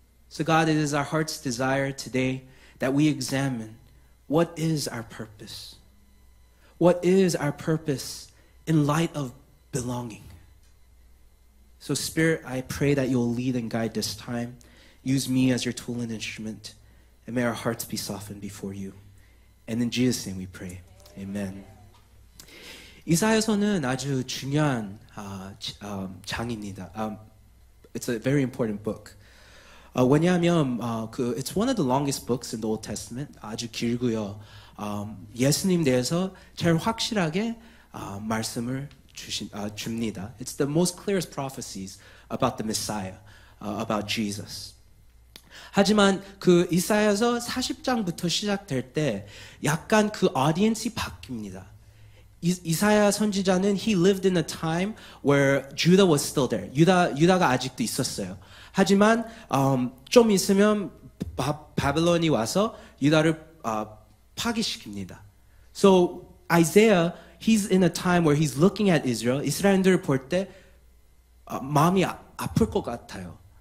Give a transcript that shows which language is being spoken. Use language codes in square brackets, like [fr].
[en] So God, it is our heart's desire today that we examine what is our purpose. What is our purpose in light of belonging? So Spirit, I pray that you'll lead and guide this time. Use me as your tool and instrument, and may our hearts be softened before you. And in Jesus' name we pray. Amen. [ko] 이사야서는 아주 중요한 장입니다. [en] It's a very important book. [ko] 왜냐하면 [en] it's one of the longest books in the Old Testament. [ko] 아주 길고요. 예수님 대해서 제일 확실하게 말씀을 줍니다. [en] It's the most clearest prophecies about the Messiah, about Jesus. [ko] 하지만 그 이사야서 40장부터 시작될 때 약간 그 audience이 바뀝니다. 이사야 선지자는 [en] he lived in a time where Judah was still there. [ko] 유다가 아직도 있었어요. 하지만 좀 있으면 바벨론이 와서 유다를 파괴시킵니다. [en] So Isaiah, he's in a time where he's looking at Israel. [ko] 이스라엘들을 볼 때 마음이 아플 것 같아요.